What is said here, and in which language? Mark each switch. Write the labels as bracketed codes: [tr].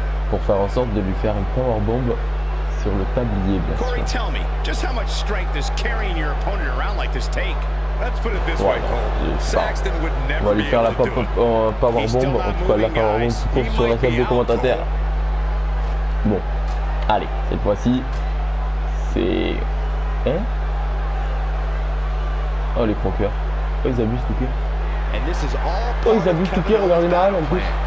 [fr] Pour faire en sorte de lui faire une powerbomb sur le tablier, bien sûr. [en] Corey, tell me, just how much strength is carrying your opponent around like this take? Let's put it this way, Cole. Saxton would never [fr] on va lui faire la powerbomb, en tout cas la powerbomb qui court sur la table de commentateur. Bon, allez, cette fois-ci, c'est... Hein? Oh, les croqueurs. Oh, ils abusent tout de suite. Oh, ils abusent Touquet, regardez mal en plus.